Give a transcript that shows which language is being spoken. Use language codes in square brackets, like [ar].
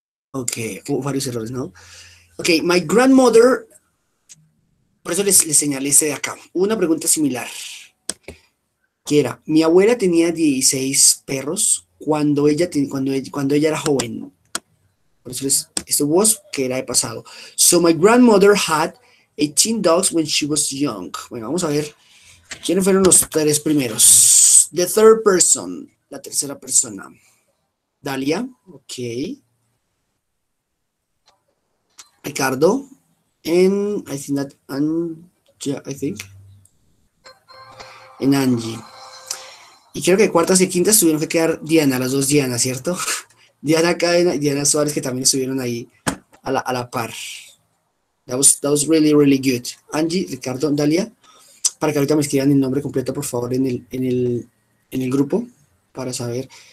[es] Ok, varios errores, ¿no? Ok, [en] my grandmother. [es] Por eso les señalé este de acá. Una pregunta similar. ¿Qué era? Mi abuela tenía 16 perros cuando ella era joven. Por eso este was, que era de pasado. [en] So my grandmother had 18 dogs when she was young. [es] Bueno, vamos a ver. ¿Quiénes fueron los tres primeros? [en] The third person, [es] la tercera persona. [en] Dalia, ok. Ricardo. And I think that and yeah, I think. [es] En Angie. Y creo que cuartas y quintas tuvieron que quedar Diana, las dos Diana, ¿cierto? Diana Cadena y Diana Suárez, que también estuvieron ahí a la par. [en] That was really, really good. [es] Angie, Ricardo, Dalia. Para que ahorita me escriban el nombre completo, por favor, en el grupo, para saber.